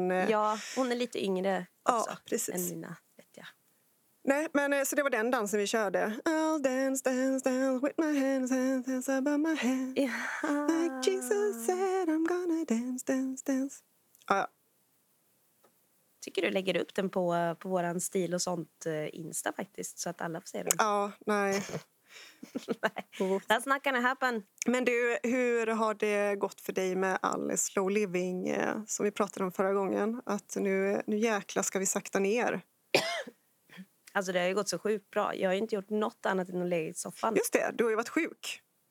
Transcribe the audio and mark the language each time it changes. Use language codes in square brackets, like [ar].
[sv] Ja, hon är lite yngre också. Ja, precis. Än mina, vet jag. Nej, men så det var den dansen vi körde. [en] I'll dance with my hands above my head. [sv] Ja. [en] Like Jesus said I'm gonna dance. [sv] Ja. Tycker du lägger upp den på våran stil och sånt Insta faktiskt, så att alla får se den? Ja, nej. [en] Nej, that's not gonna happen. [sv] Men du, hur har det gått för dig med all slow living som vi pratade om förra gången? Att nu jäkla ska vi sakta ner. Alltså det har ju gått så sjukt bra. Jag har ju inte gjort något annat än att ligga i soffan. Just det, du har ju varit sjuk.